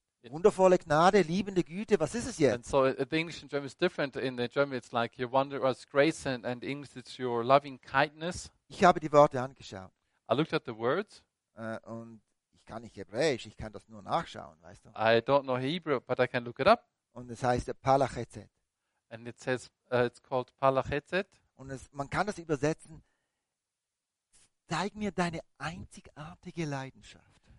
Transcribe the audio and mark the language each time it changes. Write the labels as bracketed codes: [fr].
[de] Wundervolle Gnade, liebende Güte, was ist es jetzt? [en] And so the English and German is different. In the German it's like your wondrous grace and English it's your loving kindness. [de] Ich habe die Worte angeschaut. [en] I looked at the words. [de] Und ich kann nicht Hebräisch, ich kann das nur nachschauen, weißt du? [en] I don't know Hebrew, but I can look it up. [de] Und es heißt Palachetzet. [en] And it says, it's called Palachetzet. [de] Und es, man kann das übersetzen, zeig mir deine einzigartige Leidenschaft.